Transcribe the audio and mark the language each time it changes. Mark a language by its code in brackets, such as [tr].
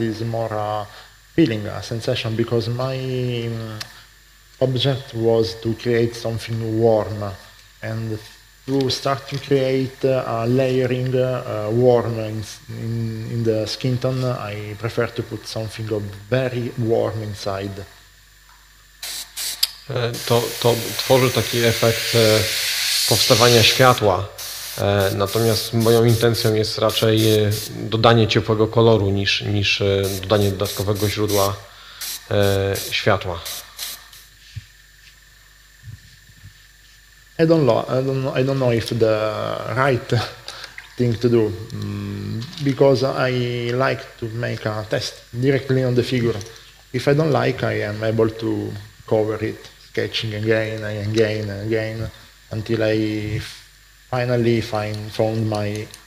[en] It's more a feeling, a sensation, because my object was to create something warm, and to start to create a layering warm in the skin tone, I prefer to put something of very warm inside. [pl] To tworzy taki efekt powstawania światła, natomiast moją intencją jest raczej dodanie ciepłego koloru niż dodanie dodatkowego źródła światła. [en] I don't know if the right thing to do, because I like to make a test directly on the figure. If I don't like, I am able to cover it. Sketching again and again and again until I finally found my